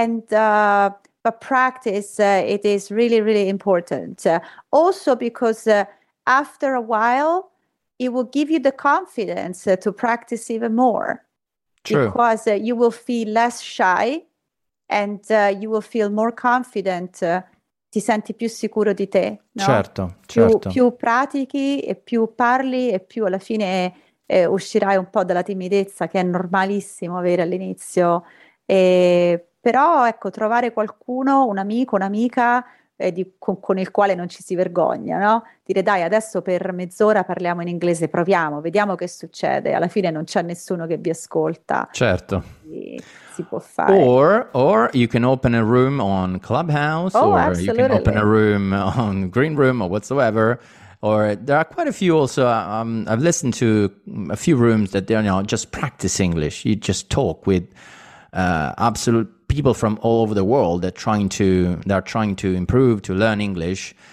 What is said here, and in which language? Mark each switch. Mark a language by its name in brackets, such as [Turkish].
[English] But practice, it is really, really important. Also because... after a while, it will give you the confidence to practice even more. True. Because you will feel less shy and you will feel more confident. [Italian] Ti senti più sicuro di te. No? Certo, certo. Più pratichi e più parli e più alla fine uscirai un po' dalla timidezza, che è normalissimo avere all'inizio. Però ecco, trovare qualcuno, un amico, un'amica, con il quale non ci si vergogna, no? Dire dai, adesso per mezz'ora parliamo in inglese, proviamo, vediamo che succede. Alla fine non c'è nessuno che vi ascolta. Certo. Si può fare. [English] Or you can open a room on Clubhouse, oh, or absolutely. You can open a room on Green Room or whatsoever. Or there are quite a few also, I've listened to a few rooms that they're, you know, just practice English. You just talk with absolute people from all over the world that are trying to improve, to learn English.